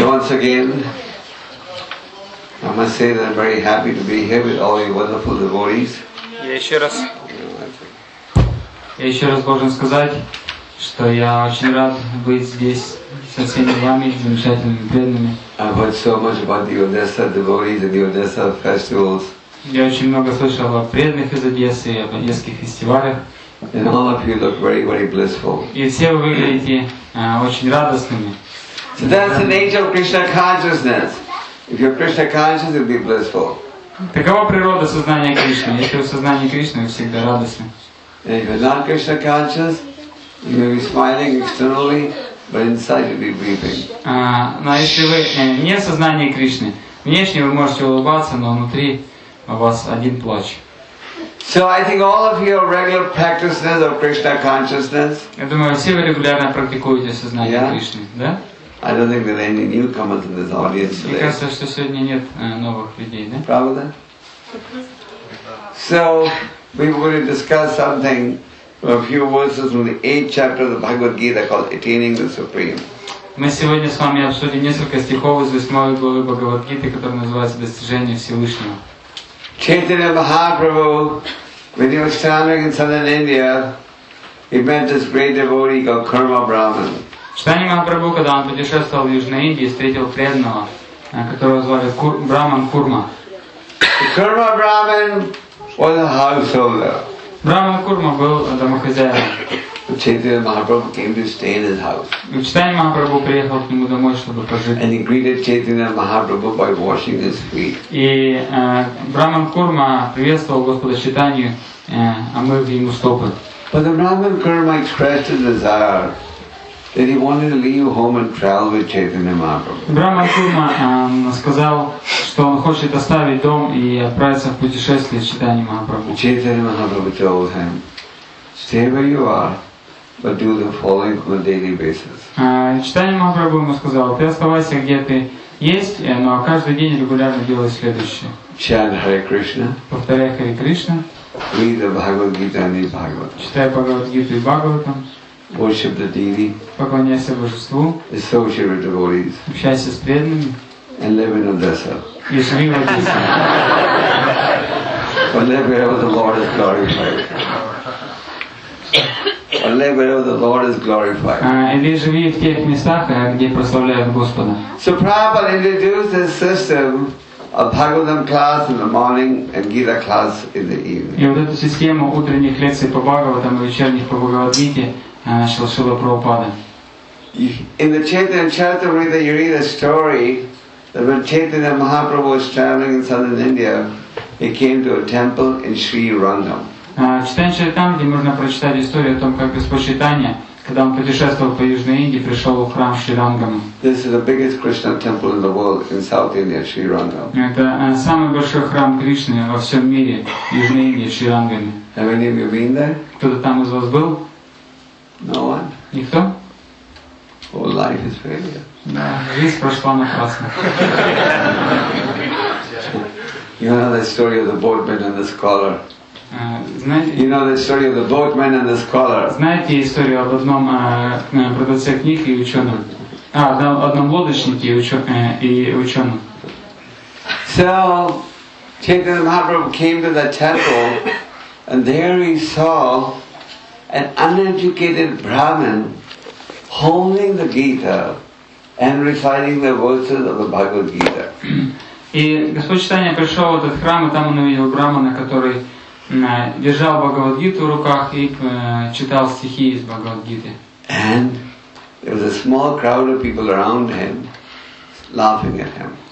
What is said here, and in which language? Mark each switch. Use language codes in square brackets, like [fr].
[en] again, I must say that I'm very happy to be here with all you wonderful devotees. [ru] Я еще раз должен сказать, что я очень рад быть здесь со всеми вами, замечательными преданными. [en] I've heard so much about the Odessa devotees and the Odessa festivals. [ru] Я очень много слышал о преданных из Одессы, об одесских фестивалях. [en] And all of you look very, very blissful. [ru] И все вы выглядите очень радостными. [en] So that's the nature of Krishna consciousness. If you're Krishna conscious, you'll be blissful. [ru] Такова природа сознания Кришны. Если вы сознание Кришны, вы всегда радостны. [en] And if you're not Krishna conscious, you may be smiling externally, but inside you'll be weeping. [ru] Но если вы не сознание Кришны, внешне вы можете улыбаться, но внутри у вас один плач. [en] So I think all of you are regular practitioners of Krishna consciousness. [ru] Я думаю, все вы регулярно практикуете сознание Кришны, да? [en] I don't think there are any newcomers in this audience today. [ru] Мне кажется, что сегодня нет новых людей, да? Правда? [en] So we will discuss something, a few verses from the 8th chapter of the Bhagavad Gita called "Attaining the Supreme." [ru] Мы сегодня с вами обсудим несколько стихов из 8 главы Бхагавад-гиты, которые называются «Достижение Всевышнего». [en] Чайтанья Махапрабху, when he was traveling in southern India, he met this great devotee called Karma Brahman. [ru] Чайтанья Махапрабху, когда он путешествовал в Южной Индии, встретил преданного, которого звали Брахман Курма. [en] Karma Brahman was a householder. [ru] Брахман Курма был домохозяином. [en] Chaitanya Mahaprabhu came to stay in his house. [ru] Chaitanya Mahaprabhu приехал к нему домой, чтобы пожить. [en] And he greeted Chaitanya Mahaprabhu by washing his feet. [ru] И Брахман Курма приветствовал Господа Чайтанью, омыв ему стопы. [en] But the Brahman Kurma expressed a desire that he wanted to leave home and travel with Chaitanya Mahaprabhu. [ru] Брахман Курма сказал, что он хочет оставить дом и отправиться в путешествие с Чайтаньей Махапрабху. [en] Chaitanya Mahaprabhu told him, stay where you are, but do the following on a daily basis. [ru] Чайтанья Махапрабху ему сказал, ты оставайся где ты есть, но каждый день регулярно делай следующее. [en] Chant Hare Krishna. [ru] Повторяй Хари Кришна. [en] Read the Bhagavad Gita and the Bhagavatam. [ru] Читай Бхагавад Гиту и Бхагаватам. [en] Worship the deity. [ru] Поклоняйся Божеству. [en] Associate with devotees. [ru] Общайся с преданными. [en] And live in Odessa. [ru] И живи в Одессе. [en] And live wherever the Lord is glorified. And live wherever the Lord is glorified. [ru] Или живи в тех местах, где прославляют Господа. [en] So Prabhupada introduced this system of Bhagavatam class in the morning and Gita class in the evening. [ru] И вот эту систему утренних лекций по Бхагаватам и вечерних по Бхагавад-гите начал Шрила Прабхупада. [en] In the Chaitanya Charitamrita, you read a story that when Chaitanya Mahaprabhu was traveling in southern India, he came to a temple in Sri Rangam. [ru] Читание Чайтанья, можно прочитать историю о том, как Господь Чайтанья, когда он путешествовал по Южной Индии, пришел в храм Шри Рангама. [en] This is the biggest Krishna temple in the world in South India, Sri Rangam. [ru] Это самый большой храм Кришны во всем мире, Южной Индии, Шри Рангаме. [en] Have any of you been there? [ru] Кто-то там из вас был? [en] No one. [ru] Никто? [en] Oh, life is failure. [ru] Да, жизнь прошла напрасно. [en] You know the story of the boatman and the scholar. You know the story of the boatman and the scholar. [ru] Знаете историю об одном продавце книг и ученом? Одном лодочнике и ученом. [en] So Chaitanya Mahaprabhu came to the temple, and there he saw an uneducated Brahmin holding the Gita and reciting the verses of the Bhagavad Gita. [ru] И Господь Чайтанья пришел в этот храм, и там он увидел Брахмана, который держал Бхагавад-гиту в руках и читал стихи из Бхагавад-гиты. [en] And there was a small crowd of people around him, laughing at him.